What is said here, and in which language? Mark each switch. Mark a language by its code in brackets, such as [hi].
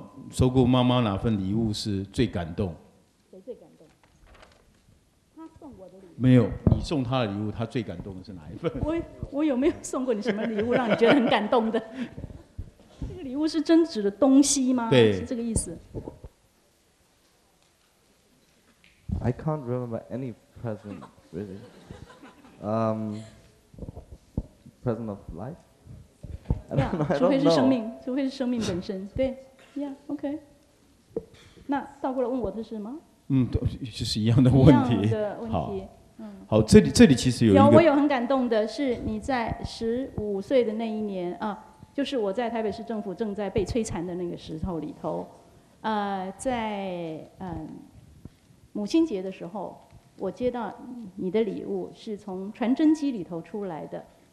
[zh] 收过妈妈哪份礼物是最感动？谁最感动？他送我的礼物？没有，你送他的礼物，他最感动的是哪一份？我有没有送过你什么礼物让你觉得很感动的？这个礼物是真指的东西吗？对，是这个意思。 [en] I can't remember any present really. Present of life. [zh] Yeah, 除非是生命，除非是生命本身。对 ，Yeah, OK. 那倒过来问我的是什么？就是一样的问题。一样的问题。好，这里其实有一个，我有很感动的是你在15岁的那一年啊，就是我在台北市政府正在被摧残的那个时候里头，在母亲节的时候，我接到你的礼物是从传真机里头出来的，